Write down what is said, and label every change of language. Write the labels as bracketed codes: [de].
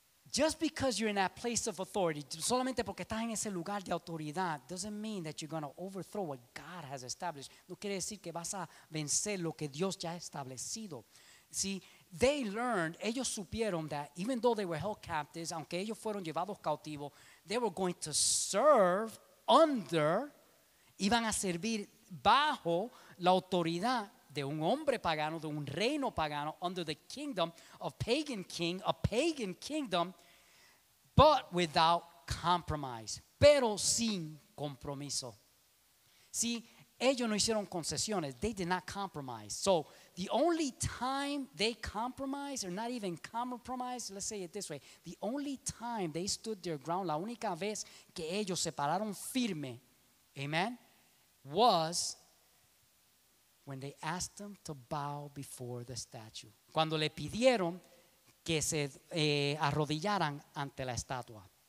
[en] Just because you're in that place of authority, [es] solamente porque estás en ese lugar de autoridad, [en] doesn't mean that you're going to overthrow what God has established. [es] No quiere decir que vas a vencer lo que Dios ya ha establecido. [en] See, they learned, [es] ellos supieron [en] that even though they were held captives, [es] aunque ellos fueron llevados cautivos, [en] they were going to serve under, [es] iban a servir bajo la autoridad de un hombre pagano, de un reino pagano, [en] under the kingdom of pagan king, a pagan kingdom, but without compromise, [es] pero sin compromiso. See, ellos no hicieron concesiones. [en] They did not compromise. So the only time they compromised, or not even compromised, let's say it this way, the only time they stood their ground, [es] la única vez que ellos se pararon firme, [en] amen, was when they asked them to bow before the statue. [es] Cuando le pidieron que se arrodillaran ante la estatua.